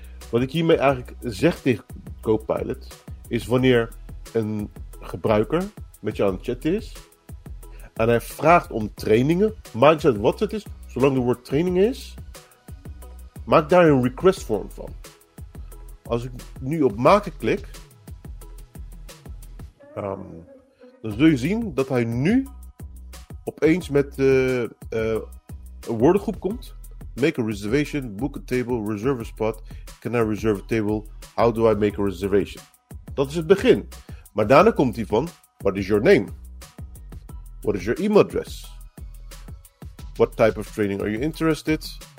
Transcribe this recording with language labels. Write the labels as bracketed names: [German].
[Dutch] Wat ik hiermee eigenlijk zeg tegen Copilot, is wanneer een gebruiker met jou aan het chatten is, en hij vraagt om trainingen, maakt uit wat het is, zolang het woord training is, maak daar een request form van. Als ik nu op maken klik, dan zul je zien dat hij nu opeens met een woordengroep komt. [English] Make a reservation, book a table, reserve a spot. Can I reserve a table? How do I make a reservation? [Dutch] Dat is het begin. Maar daarna komt hij van, [English] what is your name? What is your email address? What type of training are you interested?